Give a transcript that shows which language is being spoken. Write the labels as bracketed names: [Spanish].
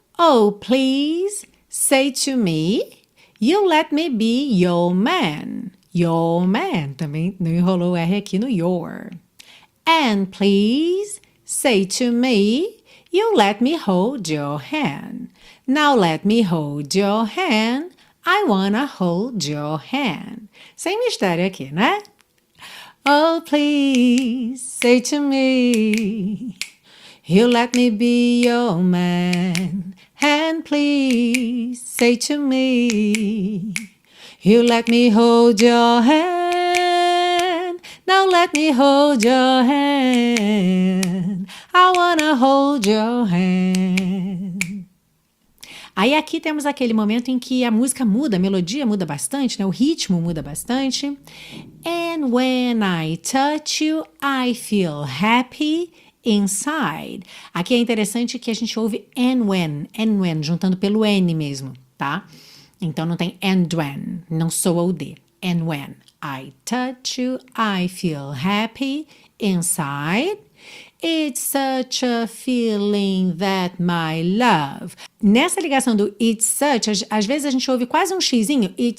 [English] Oh, please say to me, you let me be your man. Your man. [Portuguese] Também não enrolou o R aqui no your. [English] And please say to me, you let me hold your hand. Now let me hold your hand. I wanna hold your hand. [Portuguese] Sem mistério aqui, né? [English] Oh, please say to me, you let me be your man. And please say to me, you let me hold your hand. Now let me hold your hand. I wanna hold your hand. [Portuguese] Aí aqui temos aquele momento em que a música muda, a melodia muda bastante, né? O ritmo muda bastante. [English] And when I touch you, I feel happy inside. [Portuguese] Aqui é interessante que a gente ouve [English] and when, [Portuguese] juntando pelo N mesmo, tá? Então não tem [English] and when, [Portuguese] não soa o D. [English] And when I touch you, I feel happy inside. It's such a feeling that my love. [Portuguese] Nessa ligação do [English] it's such, [Portuguese] às vezes a gente ouve quase um xizinho.